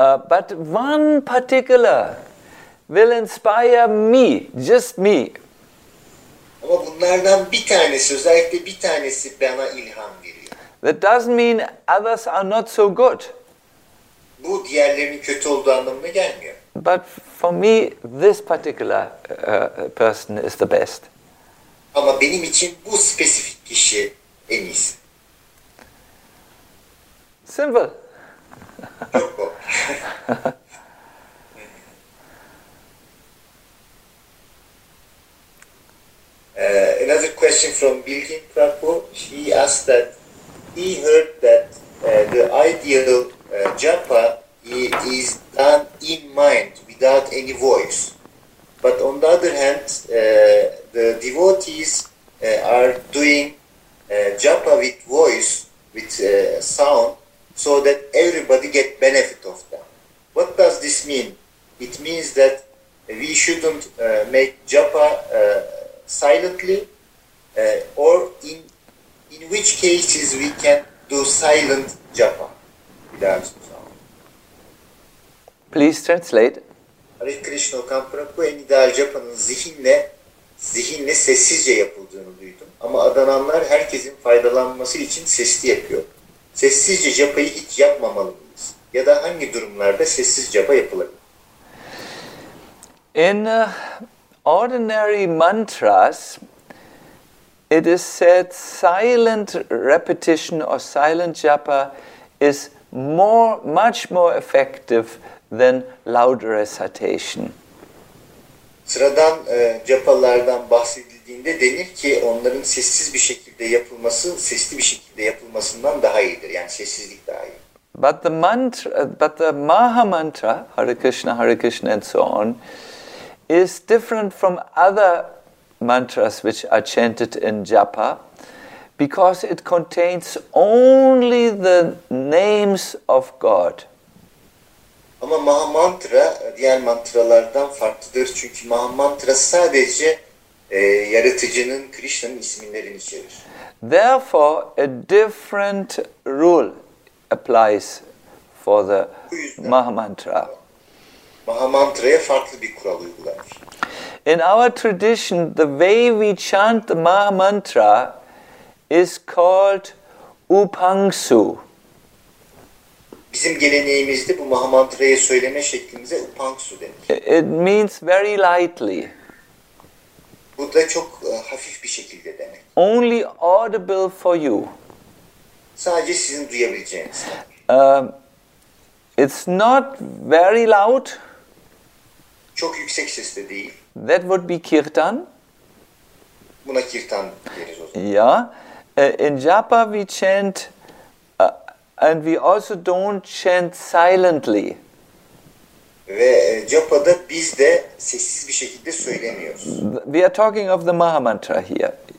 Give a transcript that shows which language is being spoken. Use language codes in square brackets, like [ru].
[en] But one particular will inspire me, just me. [tr] Ama bunlardan bir tanesi, özellikle bir tanesi bana ilham veriyor. [en] That doesn't mean others are not so good. [tr] Bu diğerlerinin kötü olduğu anlamına gelmiyor. [en] But for me, this particular person is the best. [tr] Ama benim için bu spesifik kişi en iyisi. [en] Simple. Another question from Bilgin Prabhu. He asked that he heard that the ideal japa is done in mind without any voice. But on the other hand, the devotees are doing japa with voice, with sound so that everybody get benefit of them. What does this mean? It means that we shouldn't make japa silently, or in which cases we can do silent japa without sound. Please translate. [tr] Hare Krishna Kamprapu en ideal japanın zihinle sessizce yapıldığını duydum. Ama adananlar herkesin faydalanması için sesli yapıyor. Sessizce japayı hiç yapmamalıyız. Ya da hangi durumlarda sessiz japa yapılabilir? [en] In ordinary mantras, it is said silent repetition or silent japa is much more effective than loud recitation. [tr] Sıradan japalardan bahsedildiğinde denir ki onların sessiz bir şekilde yapılması sesli bir şekilde yapılmasından daha iyidir. Yani sessizlik daha iyi. [en] But the Maha Mantra, Hare Krishna, Hare Krishna and so on, is different from other mantras which are chanted in japa because it contains only the names of God. [tr] Ama Maha Mantra diğer mantralardan farklıdır çünkü Maha Mantra sadece yaratıcının Krishna'nın isimlerini içerir. [en] Therefore a different rule applies for the Maha Mantra. [tr] Maha Mantra'ya farklı bir kural uygulanır. [en] In our tradition, the way we chant the Maha Mantra is called Upangsu. [tr] Bizim geleneğimizde bu Maha Mantra'yı söyleme şeklimize Upangsu denir. [en] It means very lightly. [tr] Bu da çok hafif bir şekilde demek. [en] Only audible for you. [tr] Sadece sizin duyabileceğiniz. [en] It's not very loud. [tr] Çok yüksek sesle değil. [en] That would be kirtan. [tr] Buna kirtan deriz o zaman. [en] Yeah. In japa we chant and we also don't chant silently. [tr] Ve japada biz de sessiz bir şekilde söylemiyoruz. [en] We are talking of the Maha Mantra here.